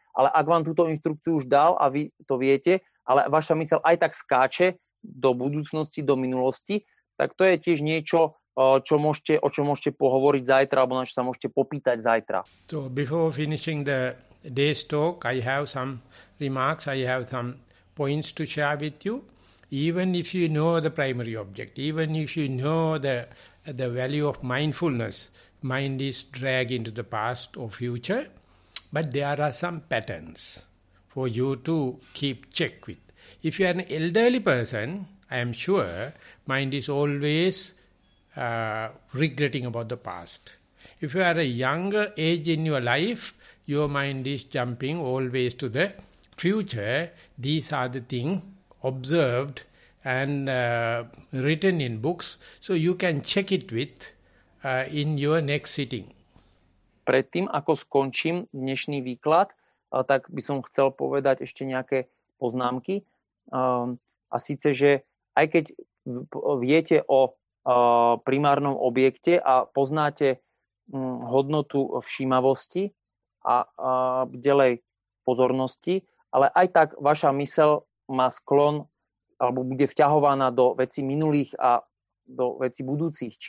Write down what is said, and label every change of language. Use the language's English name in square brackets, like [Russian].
[Slovak] Ale ak vám túto inštrukciu už dal a vy to viete, ale vaša mysel aj tak skáče do budúcnosti, do minulosti, tak to je tiež niečo, o čom môžete pohovoriť zajtra alebo na čo sa môžete popýtať zajtra. [English] So before finishing the day's talk, I have some remarks, I have some points to share with you. Even if you know the primary object, even if you know the value of mindfulness, mind is dragged into the past or future, but there are some patterns for you to keep check with. If you are an elderly person, I am sure mind is always regretting about the past. If you are a younger age in your life, your mind is jumping always to the future. These are the things observed and written in books, so you can check it with in your next sitting. [Slovak] Predtým, ako skončím dnešný výklad, tak by som chcel povedať ešte nejaké poznámky. A síce, že aj keď viete o primárnom objekte a poznáte hodnotu všímavosti a ďalej pozornosti, ale aj tak vaša mysel má sklon alebo bude vťahovaná do vecí minulých a do vecí budúcich.